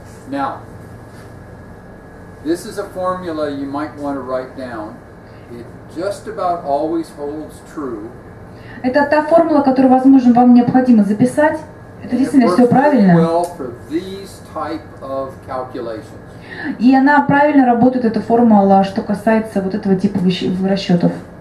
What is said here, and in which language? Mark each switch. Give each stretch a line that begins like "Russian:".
English: Now, this is a formula you might want to write down. It just about always holds true.
Russian: Это та формула, которую, возможно, вам необходимо записать. Это действительно все правильно.
English: Well, for these type of calculations.
Russian: И она правильно работает, эта формула, что касается вот этого типа расчетов.